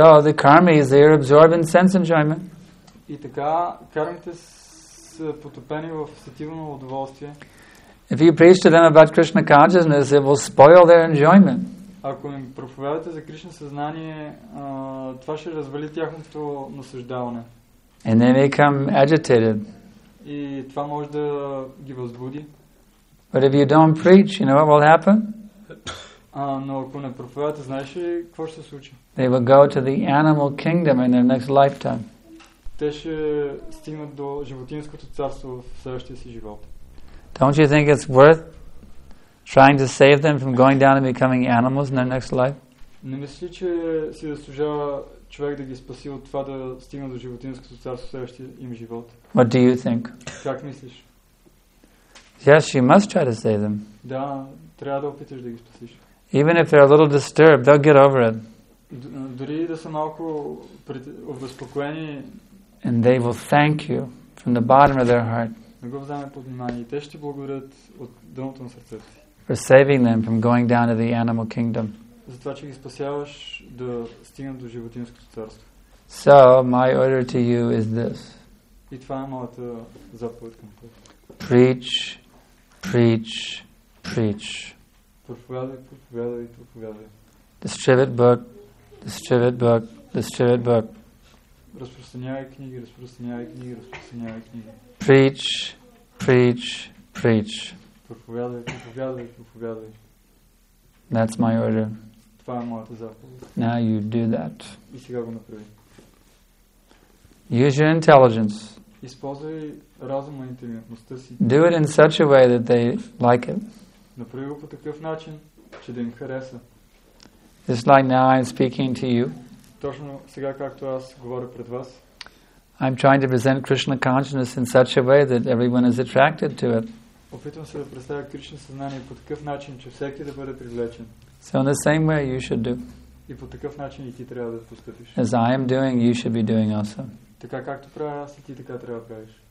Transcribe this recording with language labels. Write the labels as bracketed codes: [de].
[en] So the karmis, they are absorbed in sense enjoyment. [bg] И така кармите потопени в сативно удоволствие. [en] If you preach to them about Krishna consciousness, it will spoil their enjoyment. [bg] Ако им проповядате за Кришна съзнание, това ще развали тяхното наслаждаване. [en] And they may come agitated. [bg] И това може да ги възбуди. [en] But if you don't preach, you know what will happen? [bg] Но ако не проповядате, знаеш ли какво ще се случи? [en] They will go to the animal kingdom in their next lifetime. [bg] Те ще стигнат до животинското царство в следващия си живот. [en] Don't you think it's worth trying to save them from going down and becoming animals in their next life? [bg] Не мисли, че си заслужава човек да ги спаси от това да стигна до животинското царство в следващия им живот? [en] What do you think? [bg] Как мислиш? [en] Yes, you must try to save them. [bg] Да, трябва да опиташ да ги спасиш. [en] Even if they're a little disturbed, they'll get over it. [bg] Дори да са малко обезпокоени. [en] And they will thank you from the bottom of their heart. [bg] Не го вземе под внимание. Те ще благодарят от дъното на сърцето си. [en] For saving them from going down to the animal kingdom. [bg] За това, че ги спасяваш да стигнат до животинското царство. [en] So, my order to you is this. [bg] И това е моята заповед към това. [en] Preach, preach, preach. [bg] Проповядай, проповядай, проповядай. [en] Distribute book, distribute book, distribute book. [bg] Разпространявай книги, разпространявай книги, разпространявай книги. [en] Preach, preach, preach. [bg] Проповядай, проповядай, проповядай. [en] That's my order. [bg] Това е моята заповед. [en] Now you do that. [bg] И сега го направи. [en] Use your intelligence. [bg] Използвай разума и интелигентността си. [en] Do it in such a way that they like it. [bg] Направи го по такъв начин, че да им хареса. [en] Just like now I'm speaking to you. [bg] Точно сега, както аз говоря пред вас. [en] I'm trying to present Krishna consciousness in such a way that everyone is attracted to it. [bg] Опитвам се да представя Кришна съзнание по такъв начин, че всеки да бъде привлечен. [en] So in the same way you should do. [bg] И по такъв начин и ти трябва да постъпиш. [en] As I am doing, you should be doing also. [bg] Така както правя аз, и ти така трябва да правиш.